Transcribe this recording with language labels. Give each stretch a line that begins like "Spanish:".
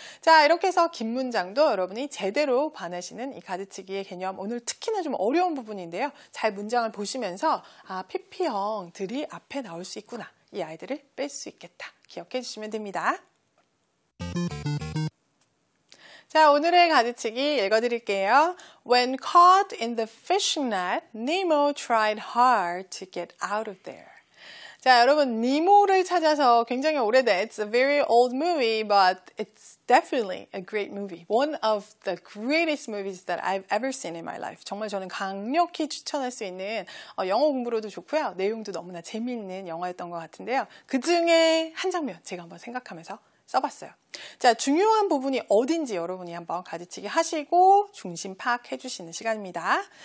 Korean: 자, 이렇게 해서 긴 문장도 여러분이 제대로 반하시는 이 가지치기의 개념, 오늘 특히나 좀 어려운 부분인데요. 잘 문장을 보시면서 아, PP형들이 앞에 나올 수 있구나. 이 아이들을 뺄 수 있겠다. 기억해 주시면 됩니다. 자, 오늘의 가지치기 읽어드릴게요.
English: When caught in the fishing net, Nemo tried hard to get out of there.
Korean: 자, 여러분, 니모를 찾아서 굉장히 오래된
English: It's a very old movie, but it's definitely a great movie. One of the greatest movies that I've ever seen in my life.
Korean: 정말 저는 강력히 추천할 수 있는 영어 공부로도 좋고요. 내용도 너무나 재미있는 영화였던 것 같은데요. 그 중에 한 장면 제가 한번 생각하면서 써봤어요. 자, 중요한 부분이 어딘지 여러분이 한번 가지치기 하시고 중심 파악해 주시는 시간입니다.